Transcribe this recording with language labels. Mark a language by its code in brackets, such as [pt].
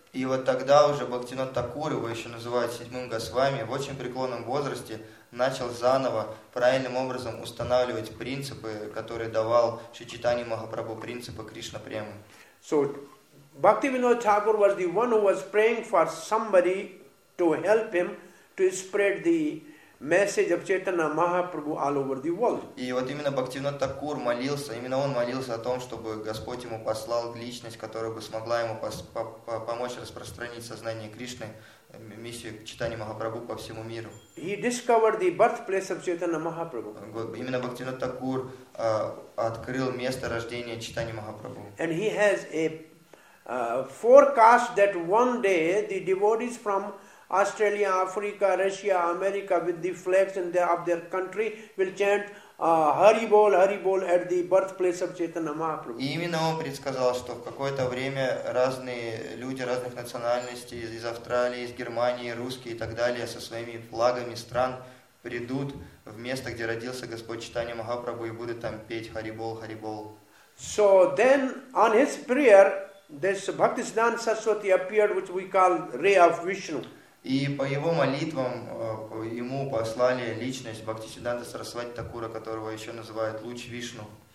[ru] И вот тогда уже Бхактинот Такур, его еще называют седьмым Госвами, в очень преклонном возрасте начал заново правильным образом устанавливать принципы, которые давал Шри Чайтанья Махапрабху, принципы Кришна Премы. [en] So, Bhakti Vinod Thakur was the one who was praying for somebody to help him to spread the message of Chaitanya Mahaprabhu all over the world. [ru] И вот именно Бхактивинод Такур молился, именно он молился о том, чтобы Господь ему послал личность, которая бы смогла ему помочь распространить сознание Кришны, миссию Чайтанья Махапрабху по всему миру. [en] He discovered the birthplace of Chaitanya Mahaprabhu. [ru] Именно Бхактивинод Такур открыл место рождения Чайтанья Махапрабху. [en] And he has a forecast that one day the devotees from Australia, Africa, Russia, America with the flags in their, of their country will chant Hari Bol, Hari Bol at the birthplace of Chaitanya Mahaprabhu. [ru] И именно он предсказал, что в какое-то время разные люди разных национальностей из Австралии, из Германии, русские и так далее со своими флагами стран придут в место, где родился Господь Чайтанья Махапрабху и будут там петь Hari Bol, Hari Bol. [en] So then on his prayer this Bhaktisiddhanta Saraswati appeared which we call Ray of Vishnu. [ru] И по его молитвам ему послали личность Бхактисиддханта Сарасвати Такура, которого еще называют луч Вишну.